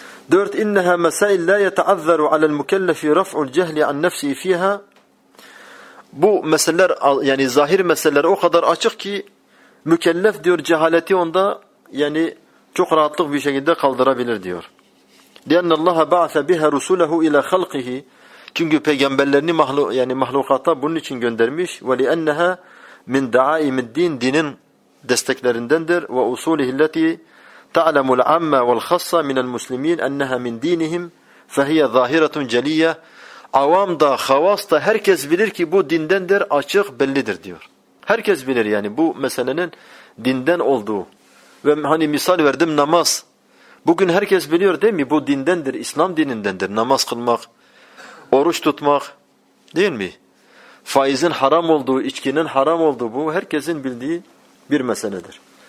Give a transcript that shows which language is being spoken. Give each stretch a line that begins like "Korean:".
Turkish: 4.
Arabic: اِنَّهَا مَسَائِلْ لَا يَتَعَذَّرُ عَلَى الْمُكَلَّفِ رَفْعُ الْجَهْلِ عَنْ نَفْسِهِ فِيهَا
Turkish: Bu meseleler yani zahir meseleler o kadar açık ki mükellef diyor cehaleti onda yani çok rahatlık bir şekilde kaldırabilir diyor.
Arabic: لِأَنَّ اللّٰهَ بَعْثَ بِهَا رُسُولَهُ اِلَى خَلْقِهِ
Turkish: Çünkü peygamberlerini mahlukata bunun için göndermiş.
Arabic: وَلِأَنَّهَا مِنْ دَعَائِمِ الدِّينِ
Turkish: Dinin desteklerindendir.
Arabic: وَأُصُولِهِ الَّتِي تَعْلَمُ الْعَمَّ وَالْخَصَّ مِنَ الْمُسْلِم۪ينَ اَنَّهَا مِنْ دِينِهِمْ فَهِيَ ظَاهِرَةٌ جَلِيَّ
Turkish: Avam da, havas da herkes bilir ki bu dindendir, açık, bellidir diyor. Herkes bilir yani bu meselenin dinden olduğu. Ve hani misal verdim namaz. Bugün herkes biliyor değil mi? Bu dindendir, İslam dinindendir. Namaz kılmak, oruç tutmak değil mi? Faizin haram olduğu, içkinin haram olduğu bu herkesin bildiği bir meseledir.